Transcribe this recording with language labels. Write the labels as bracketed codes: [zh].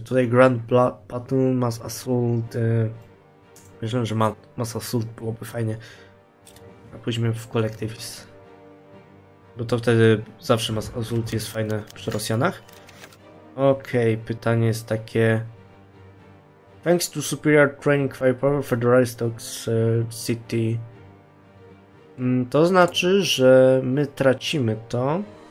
[pl] Tutaj Grand Battle, Mass Assault. Myślałem, że Mass Assault byłoby fajnie. A później w Collectivist. Bo to wtedy zawsze Mass Assault jest fajne przy Rosjanach. Okej, okay, pytanie jest takie. [en] Thanks to superior training firepower, Federalist City. [pl] To znaczy, że my tracimy to.